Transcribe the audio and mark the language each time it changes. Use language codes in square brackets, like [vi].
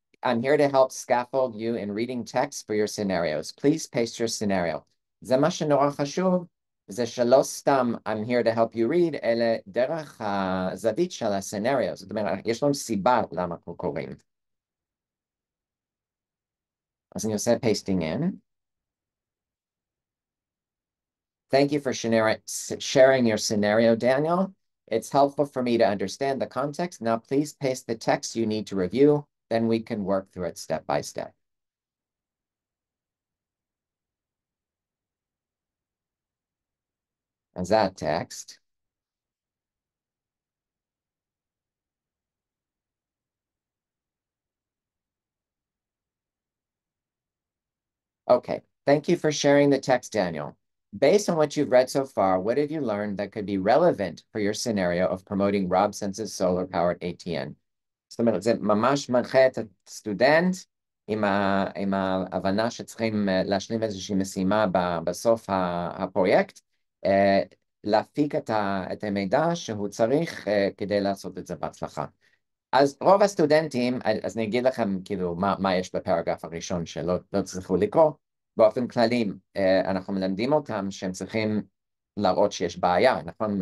[en] I'm here to help scaffold you in reading text for your scenarios. Please paste your scenario. [he] זה מה שנורא חשוב, זה שלא סתם [en] I'm here to help you read, [he] אלא דרך הזווית של הסנריו. זאת אומרת, יש לנו סיבה למה אנחנו קוראים. אז אני עושה pasting in. [en] Thank you for sharing your scenario, Daniel. It's helpful for me to understand the context. Now please paste the text you need to review, then we can work through it step by step. As that text. Okay, thank you for sharing the text, Daniel. Based on what you've read so far, what have you learned that could be relevant for your scenario of promoting Rob Sense's solar-powered ATN? [he] זאת אומרת, זה ממש מנחה את הסטודנט עם ההבנה שצריכים להשלים איזושהי משימה בסוף הפרויקט, להפיק את המידע שהוא צריך כדי לעשות את זה בהצלחה. אז רוב הסטודנטים, אז אני אגיד לכם כאילו מה יש בפרגרף הראשון שלא צריכו לקרוא, באופן כללי, אנחנו מלמדים אותם שהם צריכים להראות שיש בעיה, נכון?